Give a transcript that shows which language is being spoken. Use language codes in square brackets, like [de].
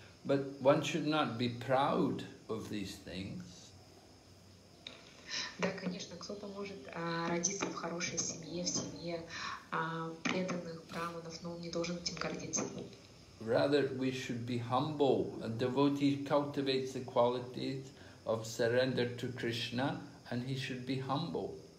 [en] But one should not be proud of these things. [ru] Да, конечно, кто-то может родиться в хорошей семье, в семье преданных браманов, но он не должен этим гордиться. [en] Rather, we should be humble. A devotee cultivates the qualities of surrender to Krishna, and he should be humble.